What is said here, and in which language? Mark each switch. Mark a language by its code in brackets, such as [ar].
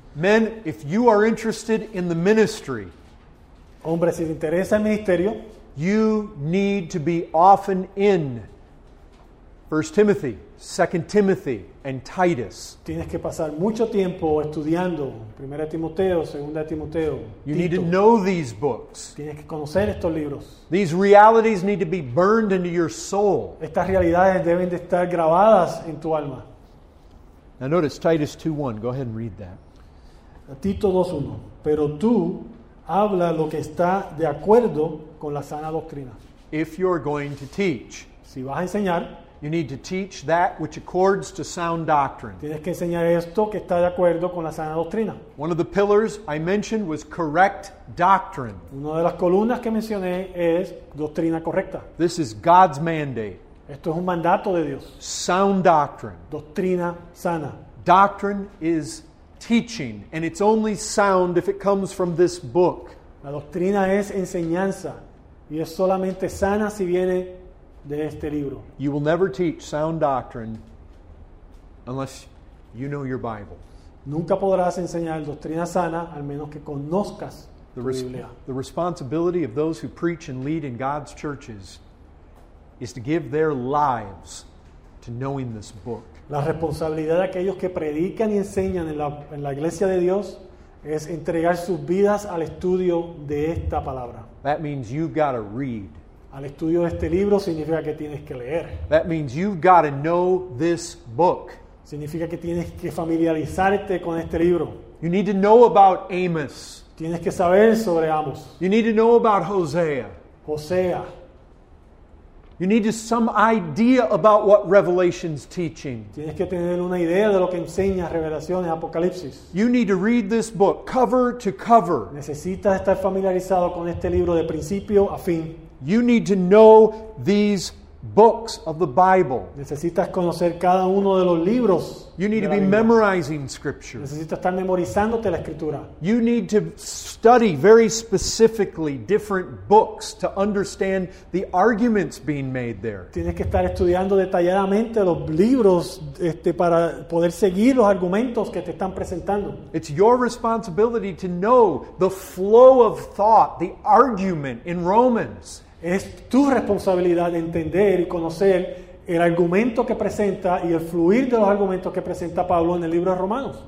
[en] Men, if you are interested in the ministry, [es] hombre, si te interesa el ministerio, [en] you need to be often in 1 Timothy, 2 Timothy, and Titus. [es] Tienes que pasar mucho tiempo estudiando 1 Timoteo, 2 Timoteo, Tito. [en] You need to know these books. [es] Tienes que conocer estos libros. [en] These realities need to be burned into your soul. [es] Estas realidades deben de estar grabadas en tu alma. [en] Now notice Titus 2:1. Go ahead and read that. [es] Tito 2:1. Pero tú habla lo que está de acuerdo con la sana doctrina. [en] If you're going to teach, [es] si vas a enseñar, [en] you need to teach that which accords to sound doctrine. [es] Tienes que enseñar esto que está de acuerdo con la sana doctrina. [en] One of the pillars I mentioned was correct doctrine. [es] Una de las columnas que mencioné es doctrina correcta. [en] This is God's mandate. [es] Esto es un mandato de Dios. [en] Sound doctrine. [es] Doctrina sana. [en] Doctrine is teaching, and it's only sound if it comes from this book. [es] La doctrina es enseñanza, y es solamente sana si viene de este libro. [en] You will never teach sound doctrine unless you know your Bible. [es] Nunca podrás enseñar doctrina sana al menos que conozcas tu Biblia. [en] The responsibility of those who preach and lead in God's churches is to give their lives to knowing this book. [es] La responsabilidad de aquellos que predican y enseñan en la iglesia de Dios es entregar sus vidas al estudio de esta palabra. [en] That means you've got to read. [es] Al estudio de este libro significa que tienes que leer. [en] That means you've got to know this book. [es] Significa que tienes que familiarizarte con este libro. [en] You need to know about Amos. [es] Tienes que saber sobre Amos. [en] You need to know about Hosea. [es] Hosea. [en] You need to some idea about what Revelation's teaching. [es] Tienes que tener una idea de lo que enseña Revelaciones, Apocalipsis. [en] You need to read this book cover to cover. [es] Necesitas estar familiarizado con este libro de principio a fin. [en] You need to know these books of the Bible. [es] Necesitas conocer cada uno de los libros. [en] You need to be memorizing scripture. [es] Necesitas estar memorizándote la escritura. [en] You need to study very specifically different books to understand the arguments being made there. [es] Tienes que estar estudiando detalladamente los libros para poder seguir los argumentos que te están presentando. [en] It's your responsibility to know the flow of thought, the argument in Romans. [es] Es tu responsabilidad entender y conocer el argumento que presenta y el fluir de los argumentos que presenta Pablo en el libro de Romanos.